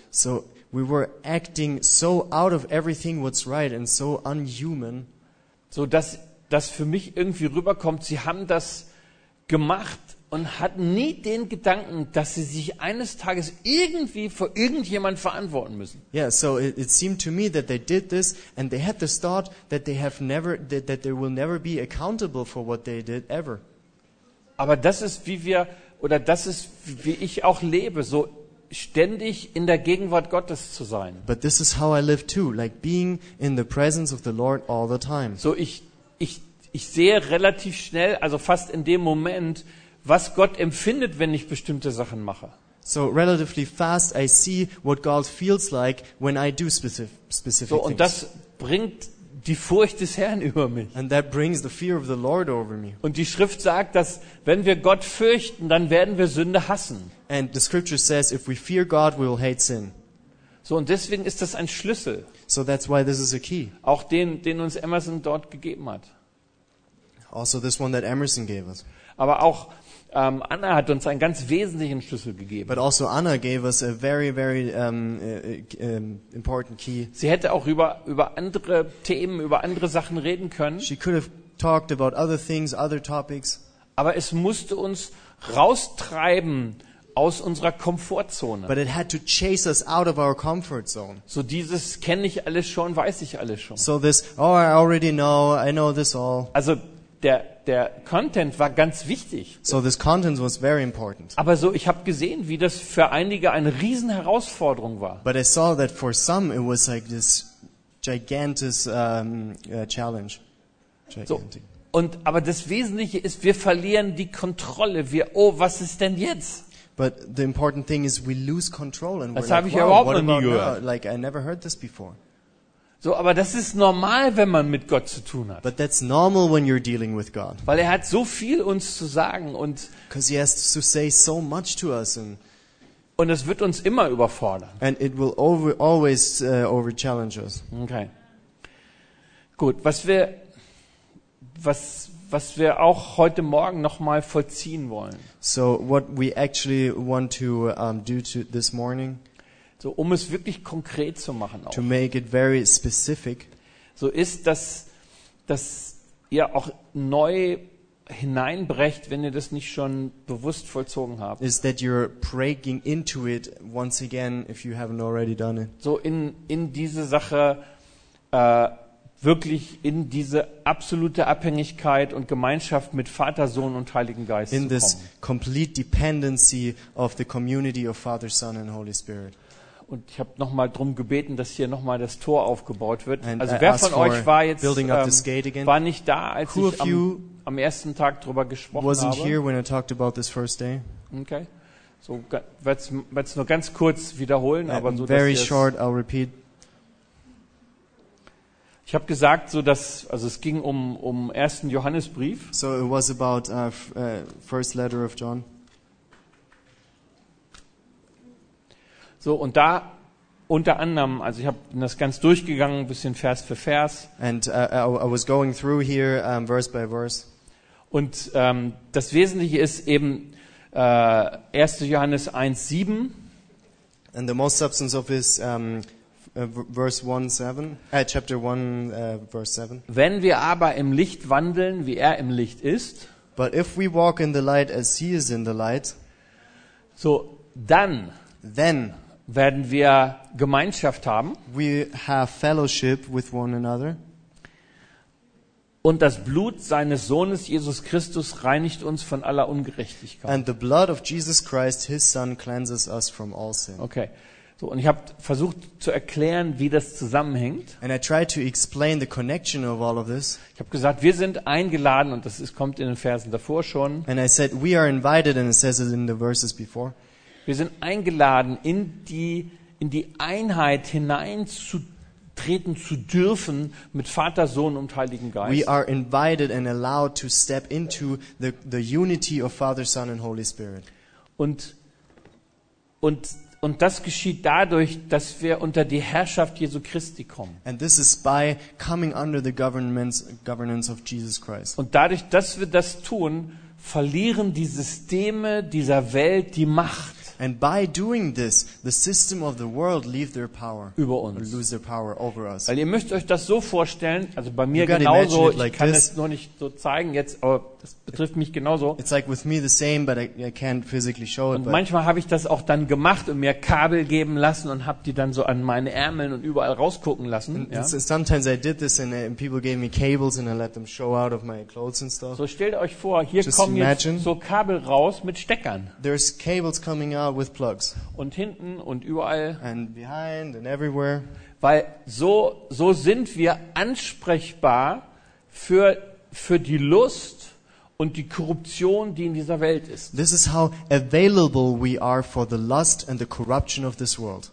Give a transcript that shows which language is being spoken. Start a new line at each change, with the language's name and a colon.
English: So we were acting so out of everything what's right and so unhuman,
German: so dass für mich irgendwie rüberkommt, sie haben das gemacht und hatten nie den Gedanken, dass sie sich eines Tages irgendwie vor irgendjemand verantworten müssen.
English: Yeah, so it seemed to me that they did this and they had this thought that they have never that they will never be accountable for what they did ever.
German: Aber das ist wie ich auch lebe, so ständig in der Gegenwart Gottes zu sein.
English: But this is how I live too, like being in the presence of the Lord all the time.
German: So ich sehe relativ schnell, also fast in dem Moment, was Gott empfindet, wenn ich bestimmte Sachen mache.
English: So relatively fast I see what God feels like when I do specific things.
German: So und das bringt die Furcht des Herrn über mich.
English: And that brings the fear of the Lord over me.
German: Und die Schrift sagt, dass wenn wir Gott fürchten, dann werden wir Sünde hassen.
English: And the scripture says if we fear God we will hate sin.
German: So und deswegen ist das ein Schlüssel.
English: So that's why this is a key.
German: Auch den uns Emerson dort gegeben hat.
English: Also this one that Emerson gave us.
German: Aber auch Anna hat uns einen ganz wesentlichen Schlüssel gegeben.
English: But also Anna gave us a very very important key.
German: Sie hätte auch über andere Themen, über andere Sachen reden können.
English: She could have talked about other things, other topics.
German: Aber es musste uns raustreiben aus unserer Komfortzone.
English: But it had to chase us out of our comfort zone.
German: So dieses kenne ich alles schon, weiß ich alles schon.
English: So this oh I already know, I know this all.
German: Also der Content war ganz wichtig.
English: So this content was very important.
German: Aber so ich habe gesehen, wie das für einige eine riesen Herausforderung war.
English: But I saw that for some it was like this gigantic challenge. Gigantic.
German: So, aber das Wesentliche ist, wir verlieren die Kontrolle. Oh, was ist denn jetzt?
English: But the important thing is we lose control and we're like, wow, what have you heard? Like I never heard this before.
German: So, aber das ist normal, wenn man mit Gott zu tun hat.
English: But that's normal when you're dealing with God.
German: Weil er hat so viel uns zu sagen und.
English: Because he has to say so much to us and.
German: Und es wird uns immer überfordern.
English: And it will always overchallenge us. Okay.
German: Gut, was wir auch heute Morgen nochmal vollziehen wollen.
English: So what we actually want to do to this morning.
German: So um es wirklich konkret zu machen.
English: To make it very specific.
German: So ist, dass ihr auch neu hineinbrecht, wenn ihr das nicht schon bewusst vollzogen habt.
English: Is that you're breaking into it once again if you haven't already done it.
German: So in diese Sache wirklich in diese absolute Abhängigkeit und Gemeinschaft mit Vater, Sohn und Heiligen Geist zu kommen.
English: In this complete dependency of the community of Father, Son and Holy Spirit.
German: Und ich habe nochmal darum gebeten, dass hier nochmal das Tor aufgebaut wird.
English: And also
German: wer von euch war jetzt, war nicht da, als
English: who
German: ich am ersten Tag darüber gesprochen
English: wasn't
German: habe?
English: Here when I talked about this first day.
German: Okay, so werde es nur ganz kurz wiederholen. Aber so,
English: very short, I'll repeat.
German: Ich habe gesagt, so dass, also es ging um ersten Johannesbrief.
English: So it was about first letter of John.
German: So, und da unter anderem, also ich habe das ganz durchgegangen, ein bisschen Vers für Vers.
English: And I was going through here verse by verse.
German: Und das Wesentliche ist eben 1. Johannes 1,7.
English: And the most substance of this chapter 1, verse 7.
German: Wenn wir aber im Licht wandeln, wie er im Licht ist.
English: But if we walk in the light as he is in the light.
German: So, dann.
English: Then.
German: Werden wir Gemeinschaft haben.
English: We have fellowship with one another.
German: Und das Blut seines Sohnes Jesus Christus reinigt uns von aller Ungerechtigkeit.
English: And the blood of Jesus Christ, his son, cleanses us from all sin. Okay.
German: So, und ich habe versucht zu erklären, wie das zusammenhängt.
English: And I tried to explain the connection of all of this.
German: Ich habe gesagt, wir sind eingeladen, und kommt in den Versen davor schon.
English: And I said, we are invited, and it says it in the verses before.
German: Wir sind eingeladen, in die Einheit hineinzutreten zu dürfen mit Vater, Sohn und Heiligen Geist.
English: We are invited and allowed to step into the unity of Father, Son and Holy Spirit.
German: Und das geschieht dadurch, dass wir unter die Herrschaft Jesu Christi kommen.
English: And this is by coming under the governance of Jesus Christ.
German: Und dadurch, dass wir das tun, verlieren die Systeme dieser Welt die Macht.
English: And by doing this, the system of the world leave their power
German: über uns.
English: Or lose their power over us.
German: Weil ihr müsst euch das so vorstellen, also bei mir genauso, ich kann es noch nicht so zeigen jetzt, aber das betrifft mich genauso.
English: It's like with me the same, but I can't physically show it.
German: Und manchmal habe ich das auch dann gemacht und mir Kabel geben lassen und habe die dann so an meine Ärmeln und überall rausgucken lassen.
English: And sometimes I did this and people gave me cables and I let them show out of my clothes and stuff.
German: So stellt euch vor, hier just kommen jetzt imagine, so Kabel raus mit Steckern.
English: There's cables coming out with plugs.
German: Und hinten und überall.
English: And behind and everywhere.
German: Weil so sind wir ansprechbar für die Lust und die Korruption, die in dieser Welt ist.
English: This is how available we are for the lust and the corruption of this world.